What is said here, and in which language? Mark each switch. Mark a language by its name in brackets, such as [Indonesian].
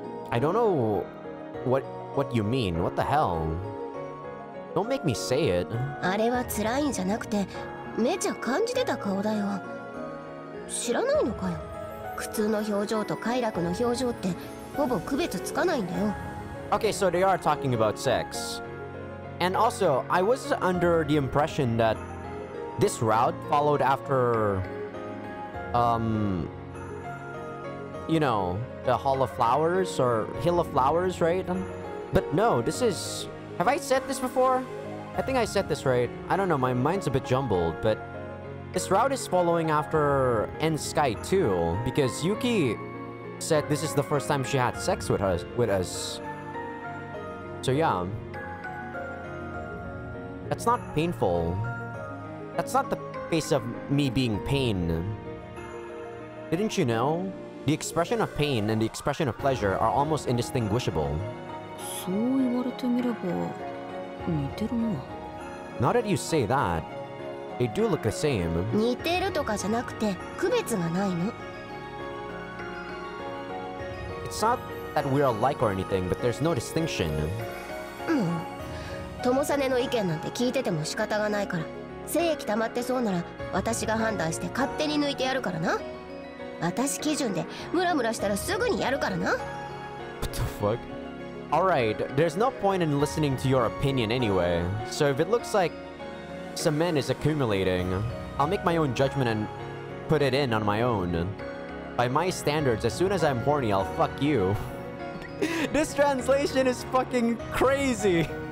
[English] I don't know what you mean. What the hell? Don't make me say it. [Japanese] あれは辛いんじゃなくて、めちゃ感じてた顔だよ。知らないのかよ。苦痛の表情と快楽の表情ってほぼ区別つかないんだよ。 [English] Okay, so they are talking about sex. And also, I was under the impression that this route followed after, you know, the Hall of Flowers or Hill of Flowers, right? But no, this is... Have I said this before? I think I said this right. I don't know, my mind's a bit jumbled, but this route is following after End Sky 2 because Yuki said this is the first time she had sex with us. So yeah, that's not painful. That's not the face of me being pain. Didn't you know? The expression of pain and the expression of pleasure are almost indistinguishable. So you want to meet up with me? Now that you say that, they do look the same. [Japanese] 似てるとかじゃなくて、区別がないの? [English] It's not that we're alike or anything, but there's no distinction. [Japanese] もう、友サネの意見なんて聞いてても仕方がないから、精液溜まってそうなら私が判断して勝手に抜いてやるからな。私基準でムラムラしたらすぐにやるからな。 [English] What the fuck? Alright, there's no point in listening to your opinion anyway. So if it looks like cement is accumulating, I'll make my own judgment and put it in on my own. By my standards, as soon as I'm horny, I'll fuck you. This translation is fucking crazy!